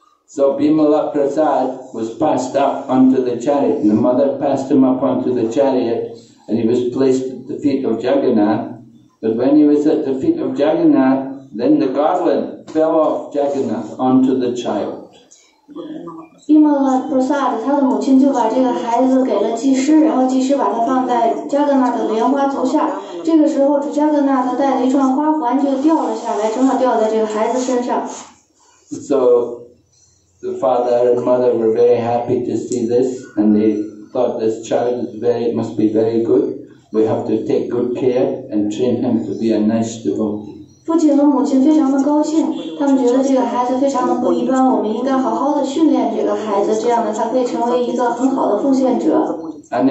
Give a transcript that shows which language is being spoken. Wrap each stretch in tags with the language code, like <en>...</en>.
<en>So Bimala Prasad was passed up onto the chariot, and the mother passed him up onto the chariot, and he was placed at the feet of Jagannath. But when he was at the feet of Jagannath, then the garland fell off Jagannath onto the child.</en> <zh>имала просада, 她的母亲就把这个孩子给了祭师，然后祭师把他放在加格纳的莲花足下。这个时候，加格纳的带了一串花环就掉了下来，正好掉在这个孩子身上。</zh> <en>So the father and mother were very happy to see this, and they thought this child is very must be very good. We have to take good care and train him to be a nice devotee.</en> <zh>父亲和母亲非常的高兴，他们觉得这个孩子非常的不一般，我们应该好好的训练这个孩子，这样呢，他可以成为一个很好的奉献者。</zh> <en>And</en>